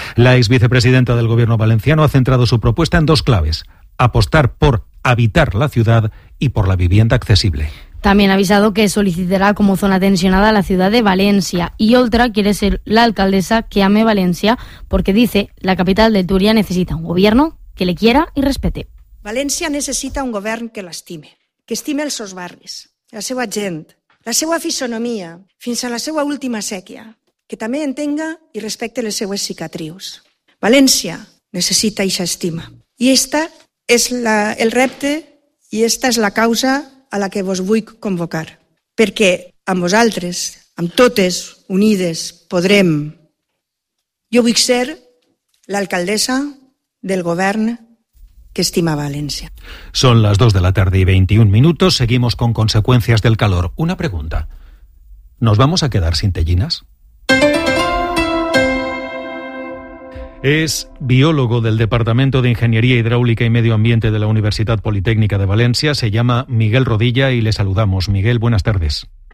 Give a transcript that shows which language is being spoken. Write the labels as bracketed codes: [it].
[es] La ex vicepresidenta del gobierno valenciano ha centrado su propuesta en dos claves: apostar por habitar la ciudad y por la vivienda accesible. También ha avisado que solicitará como zona tensionada la ciudad de Valencia, y Oltra quiere ser la alcaldesa que ame Valencia, porque dice la capital de Turia necesita un gobierno que le quiera y respete. [ca] Valencia necesita un gobierno que l'estime, que estime els seus barris, la seva gent, la seva fisonomia, fins a la seva última séquia, que també entenga i respecte les seues cicatrius. Valencia necessita eixa estima. I esta és el repte i esta és la causa a la que vos vull convocar. Perquè amb vosaltres, amb totes unides, podrem. Jo vull ser l'alcaldessa del govern que estima València. Són les 2 de la tarda i 21 minuts. [es] Seguimos con conseqüències del calor. Una pregunta. ¿Nos vamos a quedar sin tellines? Es biólogo del Departamento de Ingeniería Hidráulica y Medio Ambiente de la Universidad Politécnica de Valencia. Se llama Miguel Rodilla y le saludamos. Miguel, buenas tardes.